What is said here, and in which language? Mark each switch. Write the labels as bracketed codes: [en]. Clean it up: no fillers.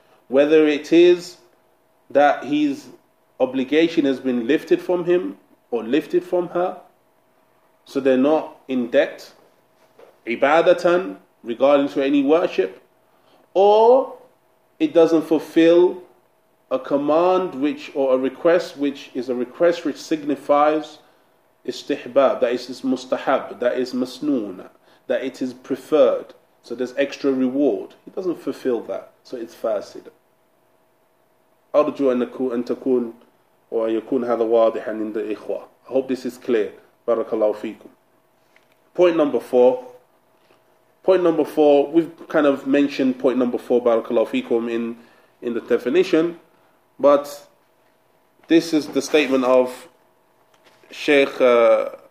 [en] Whether it is that his obligation has been lifted from him or lifted from her, so they're not in debt, ibadatan, regarding to any worship, or it doesn't fulfill a command which, or a request which is a request which signifies istihbab, that is mustahab, that is masnoon, that it is preferred, so there's extra reward. He doesn't fulfill that, so it's fasid. [ar] أرجو أن تكون ويكون هذا واضحا عند الإخوة. [en] I hope this is clear. [ar] بارك الله فيكم. [en] Point number four, we've kind of mentioned point number four, [ar] بارك الله فيكم, [en] in the definition, but this is the statement of Sheikh Imam